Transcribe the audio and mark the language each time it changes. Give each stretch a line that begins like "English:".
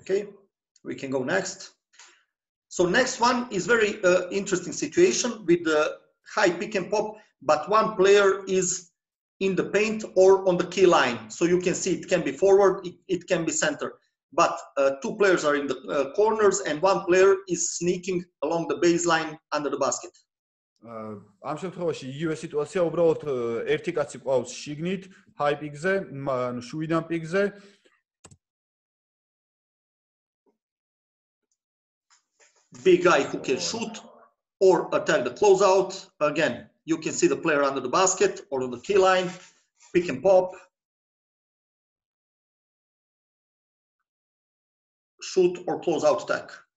English: Okay, we can go next. So next one is very interesting situation with the high pick and pop, but one player is in the paint or on the key line, so you can see it can be forward, it can be center. But two players are in the corners and one player is sneaking along the baseline under the basket.
Georgian: Ამ შემთხვევაში იგივე სიტუაცია, უბრალოდ ერთი კაცი ყავს შიგნით, high pick-ზე, ანუ შუიდან pick-ზე.
English: Big guy who can shoot or attack the closeout. Again, you can see the player under the basket or on the key line, pick and pop. Shoot or close out attack.